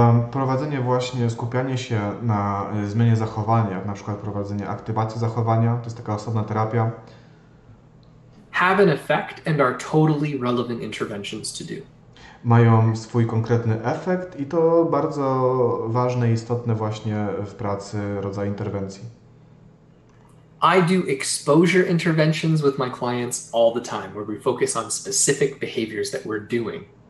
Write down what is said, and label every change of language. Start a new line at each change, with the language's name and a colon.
Polish: Prowadzenie właśnie, skupianie się na zmianie zachowania, jak na przykład prowadzenie aktywacji zachowania, to jest taka osobna terapia.
English: Have an effect and are totally relevant interventions to do.
Polish: Mają swój konkretny efekt i to bardzo ważne i istotne właśnie w pracy rodzaj interwencji.
English: I do exposure interventions with my clients all the time, where we focus on specific behaviors that we're doing.